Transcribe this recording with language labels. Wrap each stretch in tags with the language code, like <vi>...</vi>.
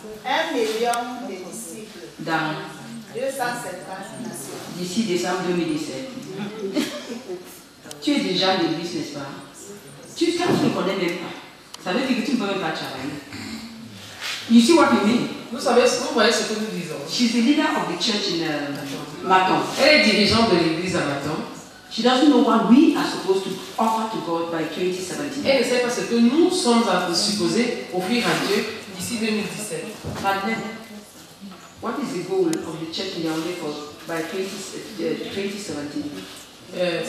<fr>1 million de disciples. Dans 250 nations. D'ici décembre 2017. Tu es déjà en église, n'est-ce pas? Tu ne te connais même pas. Ça veut dire que tu ne peux même pas travailler.</fr> <en>You see what we mean?</en> <fr>Vous voyez ce que nous disons.</fr> <en>She's the leader of the church in Maton.</en> <fr>Elle est dirigeante de l'église à Maton.</fr> <en>She doesn't know what we are supposed to offer to God by 2017.</en> <fr>Elle ne sait pas ce que nous sommes supposés offrir à Dieu d'ici 2017.</fr> <en>Madeleine, what is the goal of the church in Yaoundé for by 2017?</en>